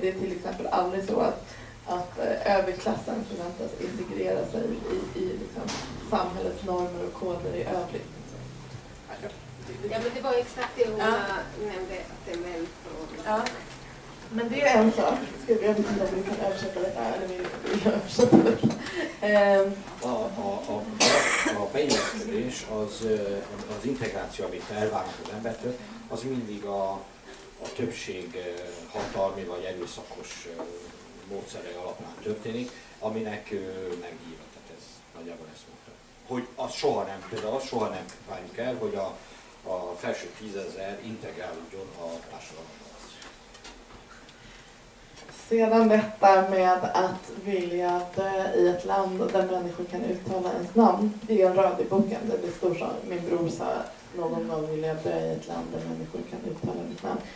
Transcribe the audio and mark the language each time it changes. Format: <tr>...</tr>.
<sv>Det är till exempel aldrig så att överklassen förväntas integrera sig i liksom samhällets normer och koder i övrigt. Ja, men det var ju exakt det hon nämnde, att det är män från. Men det är en sak. Jag vet inte om vi kan översätta det här, eller vi översätter det.</sv> <hu>a beilleszkedés, az integráció, amit elvárnak az embertől, az mindig a többség hatalmi vagy erőszakos módszerei alapján történik, aminek megírva, tehát ez nagyjából ezt mondta.</hu> <sv>Hogy az soha nem, például az soha nem várjuk el, hogy a felső 10 000 integrálódjon a társadalomba. Sedan detta med att vilja att i ett land där människor kan uttala ens namn, det är en röd i boken där det står så, min bror sa någon gång vill jag dö i ett land där människor kan uttala mitt namn.</sv>